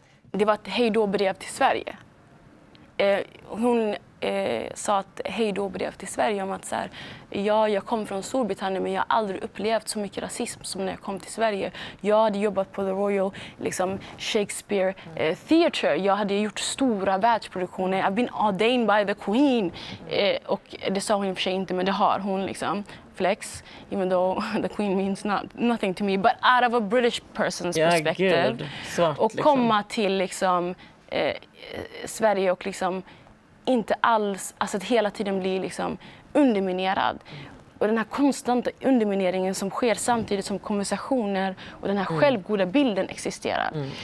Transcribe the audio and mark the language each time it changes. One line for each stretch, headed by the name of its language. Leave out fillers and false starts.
Swedish: Det var ett hejdå-brev till Sverige. Hon sa ett hejdåbrev till Sverige om att så här, ja, jag kom från Storbritannien men jag har aldrig upplevt så mycket rasism som när jag kom till Sverige. Jag hade jobbat på The Royal liksom, Shakespeare Theatre. Jag hade gjort stora världsproduktioner.
English: I've been ordained by the Queen.
Swedish: Och det sa hon i och för sig inte, men det har hon liksom.
English: Flex, even though the queen means nothing to me, but out of a British person's perspective.
Swedish: Svart, och komma liksom till liksom, Sverige och liksom inte alls, alltså att hela tiden bli liksom underminerad. Och den här konstanta undermineringen som sker samtidigt som konversationer och den här självgoda bilden existerar. Mm.